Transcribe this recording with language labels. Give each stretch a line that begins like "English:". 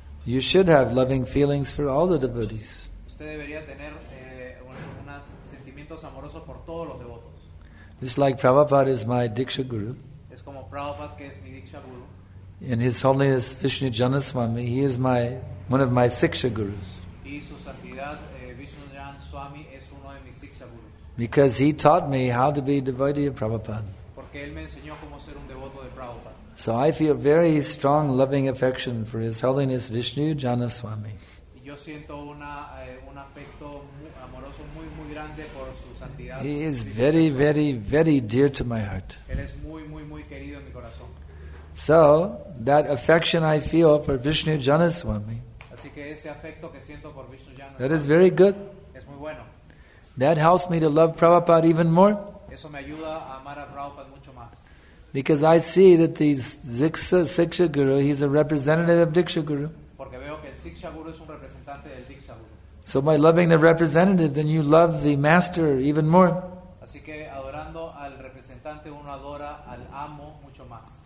English: You should have loving feelings for all the devotees.
Spanish: Usted debería tener unos sentimientos amorosos por todos los devotos.
English: Just like Prabhupada is my Diksha Guru.
Spanish: Es como Prabhupada que es mi Diksha Guru.
English: And His Holiness Vishnu Janaswami, he is one of my Siksha Gurus.
Spanish: Y su santidad, Vishnu Janaswami es uno de mis Siksha Gurus.
English: Because he taught me how to be a devotee of Prabhupada.
Spanish: Porque él me enseñó cómo ser un devoto de Prabhupada.
English: So I feel very strong loving affection for His Holiness Vishnu Janaswami.
Spanish: Yo siento un afecto amoroso muy muy grande por su santidad.
English: He is very very very dear to my heart.
Spanish: Él es muy muy muy querido en mi corazón.
English: So that affection I feel for Vishnu Janaswami.
Spanish: Así que ese afecto que siento por Vishnu Janaswami.
English: That is very good.
Spanish: Es muy bueno.
English: That helps me to love Prabhupada even more.
Spanish: Eso me ayuda a amar a Prabhupada mucho más.
English: Because I see that the Siksha Guru, he's a representative of Diksha Guru.
Spanish: Porque veo que el Siksha Guru es un representante del Diksha Guru.
English: So by loving the representative, then you love the master even more.
Spanish: Así que adorando al representante, uno adora al amo mucho más.